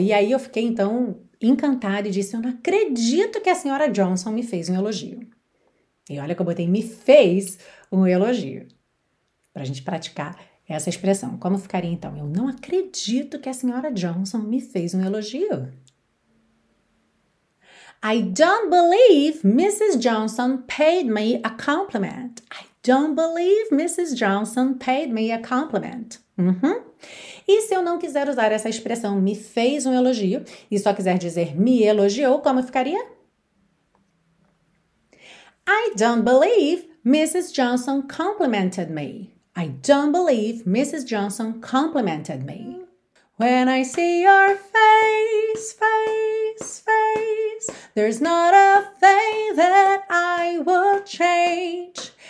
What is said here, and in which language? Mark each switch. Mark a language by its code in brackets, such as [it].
[pt] E aí eu fiquei então encantada e disse, eu não acredito que a senhora Johnson me fez um elogio. E olha que eu botei, me fez um elogio. Para a gente praticar essa expressão. Como ficaria então? Eu não acredito que a senhora Johnson me fez um elogio. [en] I don't believe Mrs. Johnson paid me a compliment. I don't believe Mrs. Johnson paid me a compliment. Uhum. [pt] E se eu não quiser usar essa expressão me fez um elogio e só quiser dizer me elogiou, como ficaria? [en] I don't believe Mrs. Johnson complimented me. I don't believe Mrs. Johnson complimented me. When I see your face, face, face, there's not a thing that I would change.